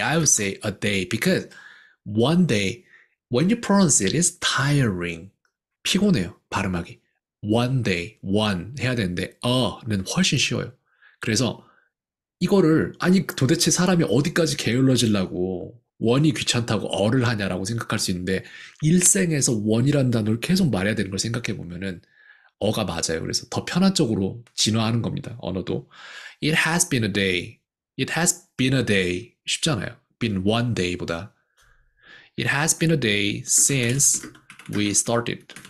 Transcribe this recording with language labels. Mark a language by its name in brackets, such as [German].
[English] I would say a day because one day, when you pronounce it, it's tiring. [Korean] 피곤해요, 발음하기. [English] One day, one [Korean] 해야 되는데, a는 훨씬 쉬워요. 그래서 이거를, 아니 도대체 사람이 어디까지 게을러지려고 원이 귀찮다고 어를 하냐라고 생각할 수 있는데, 일생에서 원이라는 단어를 계속 말해야 되는 걸 생각해 보면은 어가 맞아요. 그래서 더 편한 쪽으로 진화하는 겁니다. 언어도. [English] It has been a day. It has been a day. [Korean] 쉽잖아요. [English] Been one day보다. It has been a day since we started.